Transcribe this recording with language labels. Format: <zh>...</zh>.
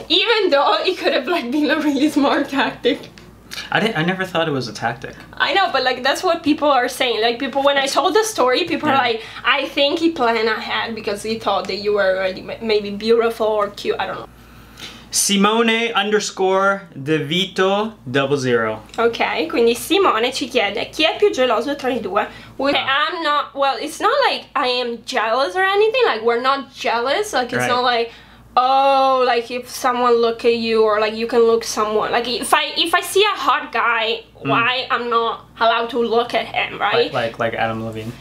<en>Even though it could have, like, been a really smart tactic. I never thought it was a tactic. I know, but, like, that's what people are saying. Like, people, when I told the story, people are like, I think he planned ahead because he thought that you were already maybe beautiful or cute, I don't know. Simone underscore DeVito 00.</en> <it>Okay, quindi Simone ci chiede chi è più geloso tra I due?</it> <en>I'm not, well, it's not like I am jealous or anything, like we're not jealous, like it's not like, oh, like if someone look at you or like you can look someone, like if I see a hot guy, why I'm not allowed to look at him, right? Like Adam Levine.</en>